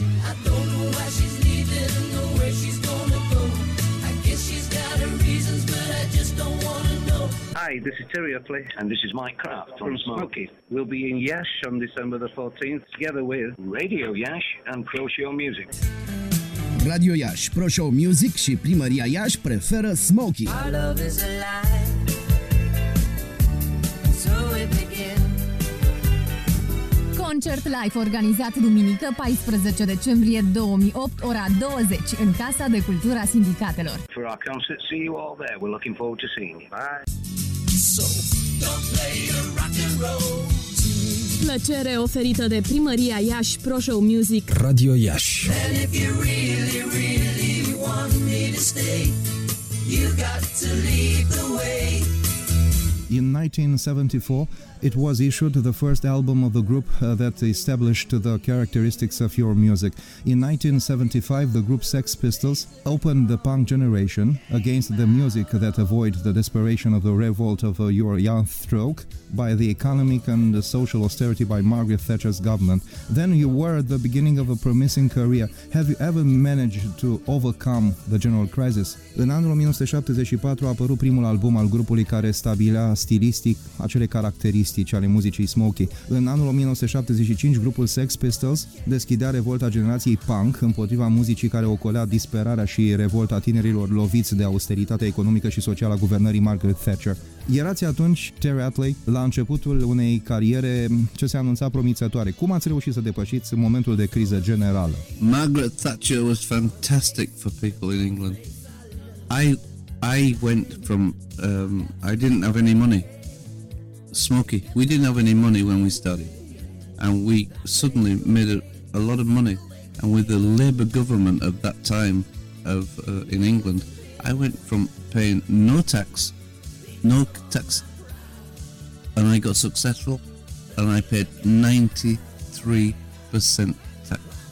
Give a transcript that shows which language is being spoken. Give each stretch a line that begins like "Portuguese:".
English: I don't know why she's leaving, know where she's gonna go. I guess she's got her reasons, but I just don't wanna know. Hi, this is Terry Upley. And this is Mike Kraft from Smokey. We'll be in Yash on December the 14th, together with Radio Yash and Pro Show Music.
Romanian: Radio Iași, Pro Show Music și Primăria Iași preferă Smokey. concert live organizat duminică 14 decembrie 2008, ora 20, în Casa de Cultura Sindicatelor.
English: For our concert, see you all there. We're looking forward to seeing you. Bye! So, don't play your rock and roll.
Romanian: Plăcere oferită de Primăria Iași, Pro Show Music, Radio Iași.
English: And if you really, really want me to stay, you got to lead the way. In 1974, it was issued the first album of the group that established the characteristics of your music. In 1975, the group Sex Pistols opened the punk generation against the music that avoid the desperation of the revolt of your youth stroke by the economic and social austerity by Margaret Thatcher's government. Then you were at the beginning of a promising career. Have you ever managed to overcome the general crisis?
Romanian: În anul 1974 a apărut primul album al grupului care stabilea stilistic acele caracteristici ale muzicii Smokey. În anul 1975, grupul Sex Pistols deschidea revolta generației punk împotriva muzicii care ocolea disperarea și revolta tinerilor loviți de austeritatea economică și socială a guvernării Margaret Thatcher. Erați atunci, Terry Atley, la începutul unei cariere ce se anunța promițătoare. Cum ați reușit să depășiți momentul de criză generală?
English: Margaret Thatcher was fantastic for people in England. I went from I didn't have any money. Smokey, we didn't have any money when we started, and we suddenly made a lot of money. And with the Labour government of that time of in England, I went from paying no tax, and I got successful, and I paid 93% tax.